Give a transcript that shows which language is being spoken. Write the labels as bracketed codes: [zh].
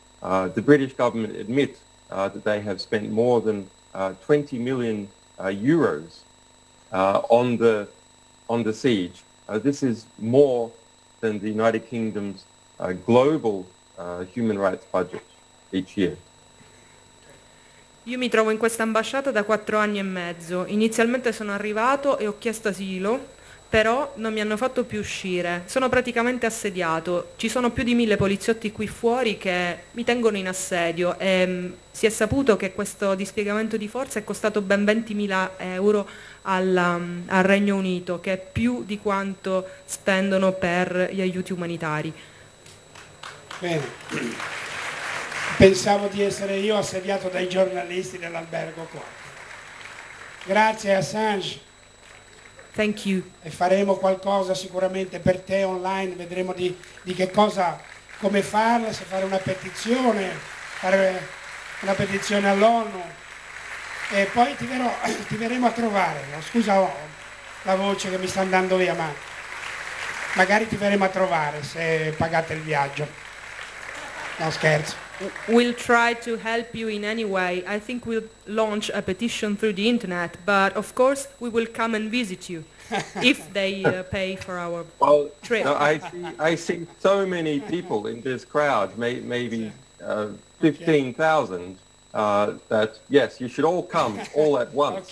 [en] The British government admit that they have spent more than 20 million euros on the siege. This is more than the United Kingdom's global human rights budget each year. [it] Io mi trovo in questa ambasciata da 4 anni e mezzo. Inizialmente sono arrivato e ho chiesto asilo, però non mi hanno fatto più uscire. Sono praticamente assediato. Ci sono più di 1000 poliziotti qui fuori che mi tengono in assedio. E si è saputo che questo dispiegamento di forze è costato ben 20.000 euro al Regno Unito, che è più di quanto spendono per gli aiuti umanitari. Bene. Pensavo di essere io assediato dai giornalisti dell'albergo qua. Grazie Assange. [en] Thank you. [it] E faremo qualcosa sicuramente per te online, vedremo di che cosa, come farla, se fare una petizione, fare una petizione all'ONU. E poi ti verremo a trovare, scusa la voce che mi sta andando via, ma magari ti verremo a trovare se pagate il viaggio. No, scherzo. [en] We'll try to help you in any way. I think we'll launch a petition through the internet, but of course we will come and visit you if they pay for our trip. No, I see so many people in this crowd, maybe 15,000, that yes, you should all come all at once.